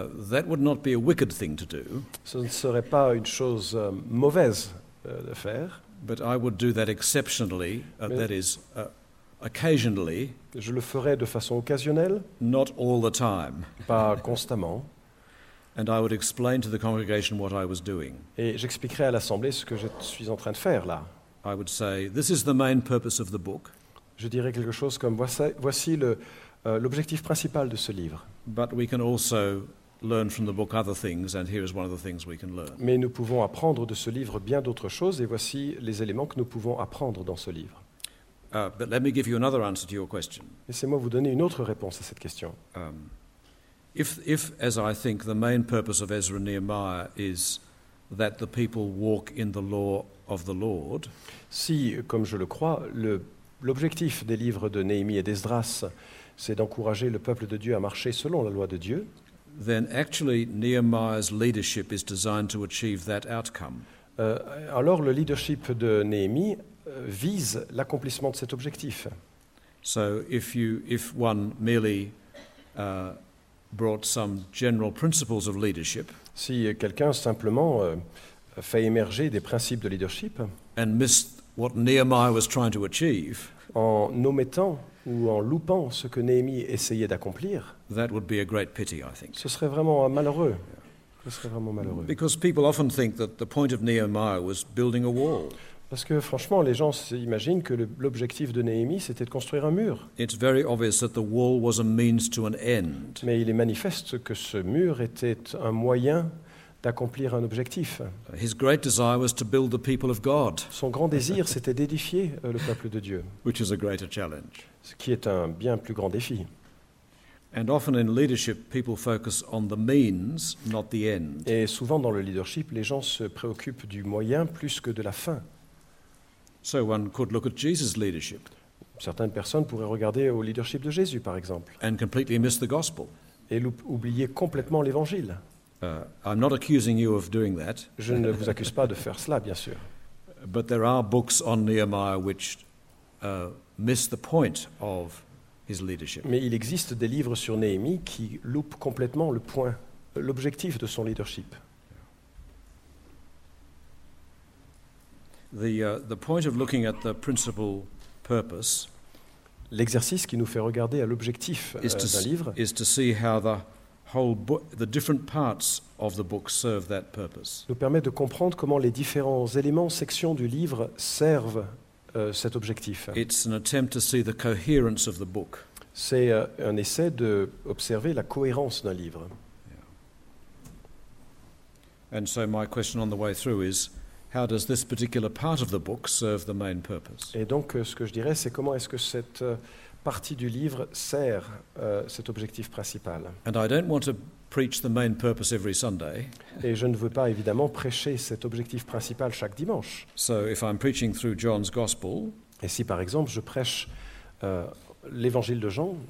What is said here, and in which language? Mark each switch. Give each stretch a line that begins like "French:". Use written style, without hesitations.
English: That would not be a wicked thing to do.
French: Ce ne serait pas une chose mauvaise de faire.
English: But I would do that exceptionally, that is occasionally.
French: Je le ferais de façon occasionnelle.
English: Not all the time.
French: Pas constamment.
English: And I would explain to the congregation what I was doing.
French: Et j'expliquerai à l'assemblée ce que je suis en train de faire là.
English: I would say, this is the main purpose of the book.
French: Je dirais quelque chose comme voici l'objectif principal de ce livre.
English: But we can also learn from the book other things, and here is one of the things we can learn.
French: Mais nous pouvons apprendre de ce livre bien d'autres choses, et voici les éléments que nous pouvons apprendre dans ce livre.
English: But let me give you another answer to your question.
French: Laissez-moi vous donner une autre réponse à cette question.
English: If, as I think, the main purpose of Ezra and Nehemiah is that the people walk in the law of the Lord,
French: si, comme je le crois, l'objectif des livres de Néhémie et d'Esdras, c'est d'encourager le peuple de Dieu à marcher selon la loi de Dieu,
English: then actually Nehemiah's leadership is designed to achieve that outcome.
French: Alors le leadership de Néhémie vise l'accomplissement de cet objectif.
English: So if one merely brought some general principles of leadership,
French: si quelqu'un simplement fait émerger des principes de leadership,
English: and missed what Nehemiah was trying to achieve,
French: en omettant ou en loupant ce que Néhémie essayait d'accomplir,
English: that would be a great pity, I think.
French: Ce serait vraiment malheureux. Ce serait vraiment malheureux.
English: Because people often think that the point of Nehemiah was building a wall.
French: Parce que franchement, les gens s'imaginent que l'objectif de Néhémie, c'était de construire un mur.
English: It's very obvious that the wall was a means to an end.
French: Mais il est manifeste que ce mur était un moyen d'accomplir un objectif.
English: His great desire was to build the people of God.
French: Son grand désir, c'était d'édifier le peuple de Dieu.
English: Which is a greater challenge.
French: Ce qui est un bien plus grand défi.
English: And often in leadership, people focus on the means, not the end.
French: Et souvent dans le leadership, les gens se préoccupent du moyen plus que de la fin.
English: So one could look at Jesus' leadership.
French: Certaines personnes pourraient regarder au leadership de Jésus, par exemple.
English: And completely miss the gospel.
French: Et oublier complètement l'évangile.
English: I'm not accusing you of doing that.
French: Je ne vous accuse pas de faire cela, bien sûr.
English: But there are books on Nehemiah which miss the point of his leadership.
French: Mais il existe des livres sur Néhémie qui loupent complètement le point, l'objectif de son leadership.
English: The point of looking at the principal purpose,
French: l'exercice qui nous fait regarder à l'objectif d'un livre,
English: is to see how the different parts of the book serve that purpose.
French: Nous permet de comprendre comment les différents éléments, sections du livre servent cet objectif.
English: It's an attempt to see the coherence of the book.
French: C'est un essai de observer la cohérence d'un livre. Yeah.
English: And so my question on the way through is, how does this particular part of the book serve the main purpose?
French: Et donc, ce que je dirais, c'est comment est-ce que cette partie du livre sert cet objectif principal?
English: And I don't want to preach the main purpose every Sunday.
French: Et je ne veux pas évidemment prêcher cet objectif principal chaque dimanche.
English: So if I'm preaching through John's gospel,
French: et si par exemple je prêche l'évangile de Jean,